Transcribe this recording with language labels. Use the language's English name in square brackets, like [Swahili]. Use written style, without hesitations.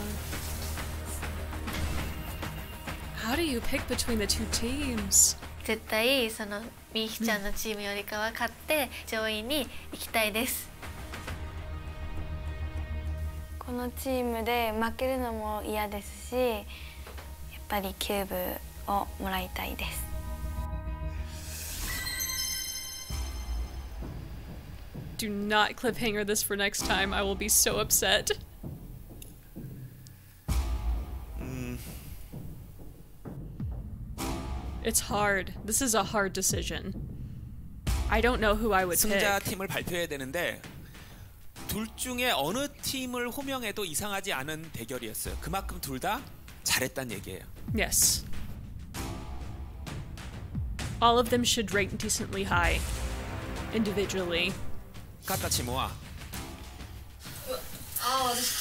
[English] Yeah, how do you pick between the two teams? [Japanese] 絶対そのミヒちゃんのチームよりかは勝って上位に行きたいです。このチームで負けるのも嫌ですし、やっぱりキューブをもらいたいです。 [English] Do not cliffhanger this for next time. I will be so upset. It's hard. This is a hard decision. I don't know who I would pick. [Korean] 승자 팀을 발표해야 되는데 둘 중에 어느 팀을 호명해도 이상하지 않은 대결이었어요. 그만큼 둘 다 잘했단 얘기예요. [English] Yes. All of them should rank decently high individually. 갖다 치모아. 아,